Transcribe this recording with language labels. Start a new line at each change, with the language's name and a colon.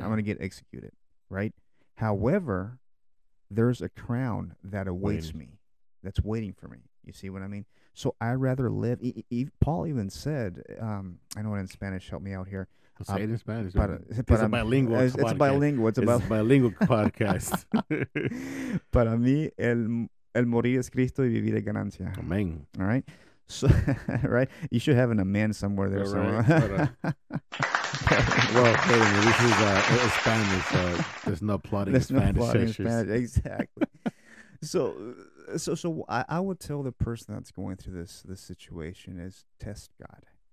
English: I'm going to get executed, right? However, there's a crown that awaits me, that's waiting for me. You see what I mean? So I'd rather live. Paul even said, I know it in Spanish, help me out here. Say it in Spanish. It's a bilingual podcast.
Spanish: Para mí, el morir es Cristo y vivir es ganancia.
English: Amen. All right? So, right, you should have an amen somewhere there. Yeah, somewhere. Right. Well, wait a minute. This is a Spanish. There's no plotting. There's Spanish no plotting in Spanish. Exactly. So I would tell the person that's going through this situation is test God.